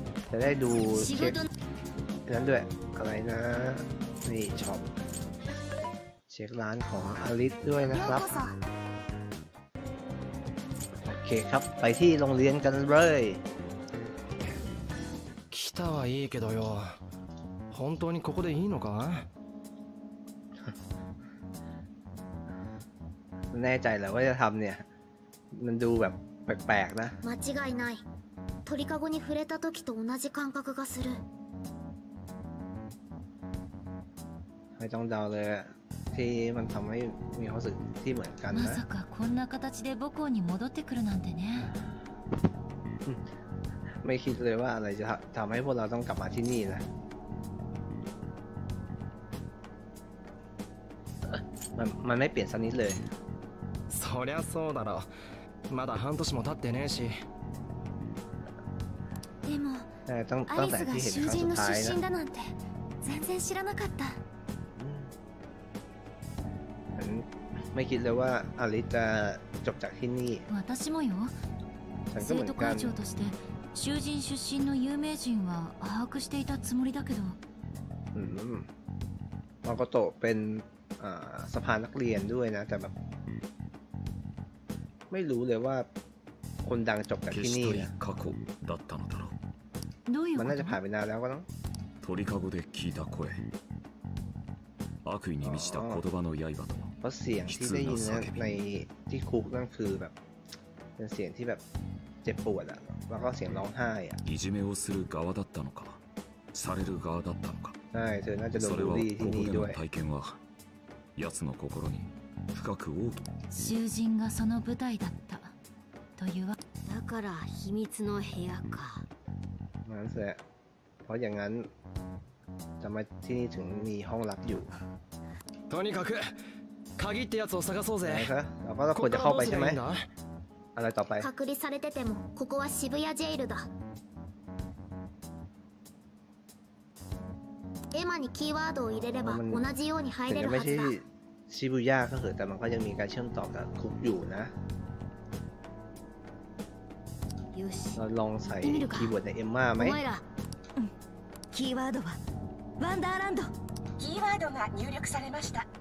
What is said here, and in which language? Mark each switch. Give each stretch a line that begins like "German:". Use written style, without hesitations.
Thai: จะได้ดูเช็คนั้นด้วยอะไรนะนี่ช็อปเช็คร้านของอลิสด้วยนะครับโอเคครับไปที่โรงเรียนกันเลย คิดว่าดี
Japanese: けどよ本当にここでいいのか
Thai: แน่ใจเหรอว่าจะทำเนี่ยมันดูแบบแปลกๆนะ
Japanese: 間違いない鳥かごに触れた時と同じ感覚がする
Thai: ไม่ต้องเดาเลยที่มันทำให้มีความรู้สึกที่เหมือนกัน
Japanese: นะまさかこんな形で母校に戻ってくるなんてね
Thai: ไม่คิดเลยว่าอะไรจะทำให้พวกเราต้องกลับมาที่นี่นะมันไม่เปลี่ยนสักนิดเลย
Japanese: そりゃそうだろまだ半年も経ってねえしでもアリスが囚人の出身だなんて全然知らなかった
Thai: ไม่คิดเลยว่าอาริจะจบจากที่นี่
Japanese: 私もよ生徒会長として囚人出身の有名人は把握していたつもりだけど
Thai: มาโกโตเป็นสภานักเรียนด้วยนะแต่แบบไม่รู้เลยว่าคนดังจบจากที่นี่
Japanese: 過去だったのだろう。
Thai: มันน่าจะผ่านไปนานแล้วก็ต้อง
Japanese: 鳥かごで聞いた声。悪意に満ちた言葉の刃と。
Thai: เพราะเสียงที่ได้ยินในที่คุกนั่นคือแบบเป็นเสียงที่แบบเจ็บปวดอ่ะแล้วก็เสียงร้องไห้
Japanese: อ่ะ。いじめをする側だったのか、される側だったのか。
Thai: ใช่เธอน่าจะโดนบูลลี่ที่นี่ด้วย。
Japanese: 体験は、やつの心に。深く大きい囚人がその舞台だったというわだから秘密の部屋か
Thai: なんせเพราะอย่างนั้นทำไมที่นี่ถึงมีห้องลับอยู่
Japanese: とにかく鍵ってやつを探そうぜまだここで入っていいんだあれ、ต่อไป 隔離されててもここは渋谷ジェイルだエマにキーワードを入れれば同じように入れるはずだ
Thai: ชิบูย่าก็คือแต่มันก็ยังมีการเชื่อมต่อกับคุกอยู่นะเราลองใส่คีย์เวิร์ดในเอ็มม่าไหม คีย์เวิร์ดว่าวันเดอร์แลนด์
Japanese: คีย์เวิร์ดが入力されました